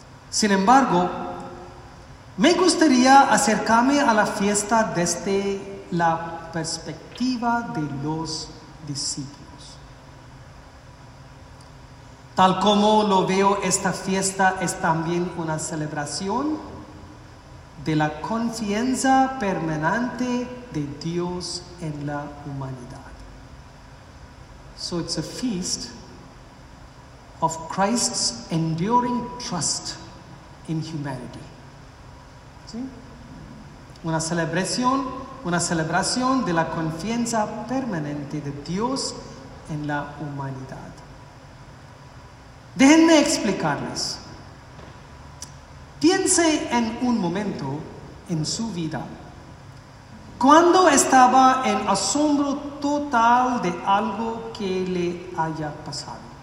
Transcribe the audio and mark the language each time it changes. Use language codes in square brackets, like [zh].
[es] Sin embargo, me gustaría acercarme a la fiesta desde la perspectiva de los discípulos. Tal como lo veo, esta fiesta es también una celebración de la confianza permanente de Dios en la humanidad. [en] So it's a feast of Christ's enduring trust in humanity. [es] ¿Sí? Una celebración de la confianza permanente de Dios en la humanidad. Déjenme explicarles. Piense en un momento en su vida cuando estaba en asombro total de algo que le haya pasado.